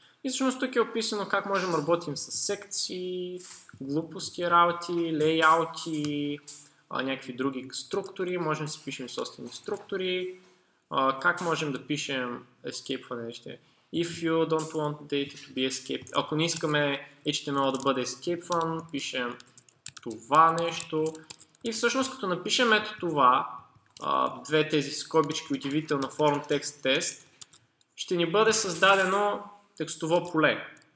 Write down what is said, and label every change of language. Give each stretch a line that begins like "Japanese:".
Bulgarian: И всъщност тук е описано как можем да работим с секции, глупости работи, лейаути, някакви други структури. Можем да си пишем собствени структури. Как можем да пишем escape for нещо?
English: If you don't want data to be escaped.
Bulgarian: Ако не искаме HTML да бъде escapeван, пишем това нещо. И всъщност като напишем ето това, две тези скобички, удивително form text test, ще ни бъде създадено текстово поле.